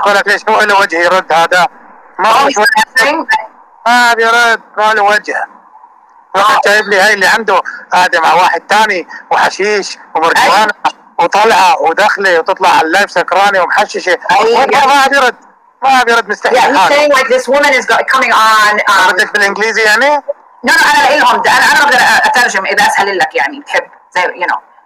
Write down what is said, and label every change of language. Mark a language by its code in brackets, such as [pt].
[ar] قلت ليش مو له وجه يرد هذا؟ ما هو ما بيرد، ما له وجه. راح جايب لي هاي اللي عنده هذا مع واحد ثاني وحشيش ومرجوانة وطلعه ودخله وتطلع على اللايف سكراني ومحششه. ما بيرد. ما بيرد مستحيل. [en] Yeah, he's saying like this woman is coming on. [ar] ردك بالإنجليزي يعني؟ [en] No, no, [ar] أنا إلهم. أنا أقدر أترجم إذا أسهل لك يعني تحب زي [en] you know.